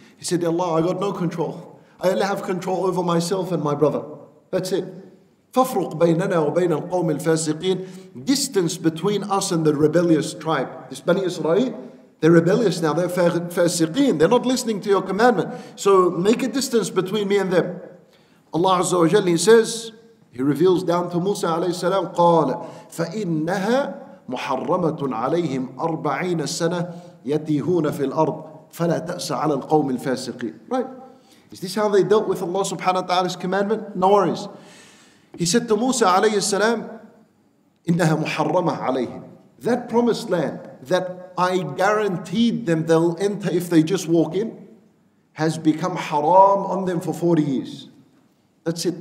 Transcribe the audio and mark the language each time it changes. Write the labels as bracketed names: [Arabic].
[English] He said, Allah, I got no control. I only have control over myself and my brother. That's it. [Arabic] فَفْرُقْ بَيْنَنَا وَبَيْنَ الْقَوْمِ الْفَاسِقِينَ. [English] Distance between us and the rebellious tribe. This Bani Israel, they're rebellious now, they're فَاسِقِينَ. They're not listening to your commandment. So make a distance between me and them. Allah Azza wa Jalla, he says, he reveals down to Musa alayhi salam, [Arabic] قَالَ فَإِنَّهَا مُحَرَّمَةٌ عَلَيْهِمْ أَرْبَعِينَ سَنَةٍ يَتِيهُونَ فِي الْأَرْضِ فَلَا تَأْسَ عَلَى الْقَوْمِ الْفَاسِقِينَ. [English] Right? Is this how they dealt with Allah subhanahu wa ta'ala's commandment? No worries. He said to Musa alayhi salam, [Arabic] إِنَّهَا مُحَرَّمَةَ عَلَيْهِمْ. [English] That promised land that I guaranteed them they'll enter if they just walk in has become haram on them for 40 years. That's it.